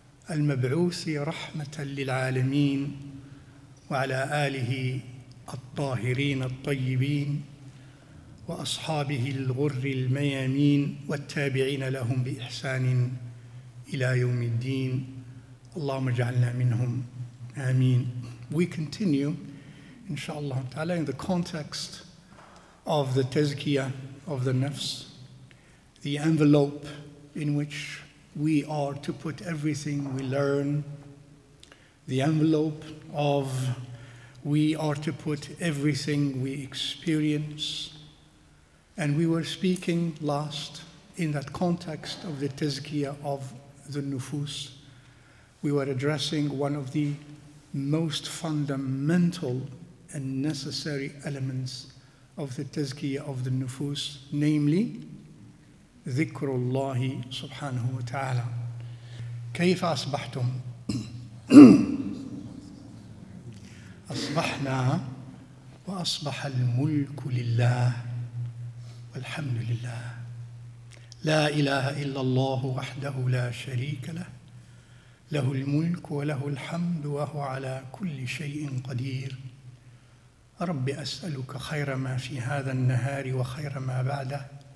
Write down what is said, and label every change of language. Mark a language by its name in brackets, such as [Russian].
[Arabic] المبعوث رحمة للعالمين وعلى آله الطاهرين الطيبين وأصحابه الغر الميامين والتابعين لهم بإحسان إلى يوم الدين اللهم اجعلنا منهم آمين. [English] We continue, inshallah ta'ala, in the context of the tazkiyah of the nafs, the envelope in which we are to put everything we learn, the envelope of we are to put everything we experience. And we were speaking last in that context of the tazkiyah of the nufus. We were addressing one of the most fundamental and necessary elements of the tazkiyah of the nufus, namely Dhikrullah subhanahu wa ta'ala. [Arabic] كيف أصبحتم؟ أصبحنا وأصبح الملك لله الحمد لله لا إله إلا الله وحده لا شريك له له الملك وله الحمد وهو على كل شيء قدير رب أسألك خير ما في هذا النهار وخير ما بعده